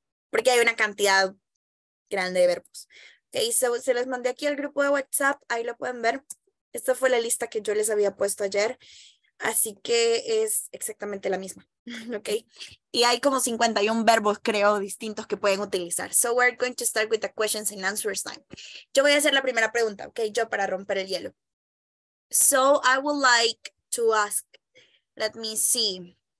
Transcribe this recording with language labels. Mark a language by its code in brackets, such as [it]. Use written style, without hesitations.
[es] Porque hay una cantidad grande de verbos. Okay, so se los mandé aquí al grupo de WhatsApp. Ahí lo pueden ver. Esta fue la lista que yo les había puesto ayer. Así que es exactamente la misma. Okay. Y hay como 51 verbos, creo, distintos que pueden utilizar. [en] So we're going to start with the questions and answers time. [es] Yo voy a hacer la primera pregunta, okay, yo para romper el hielo. [en] So I would like to ask, let me see.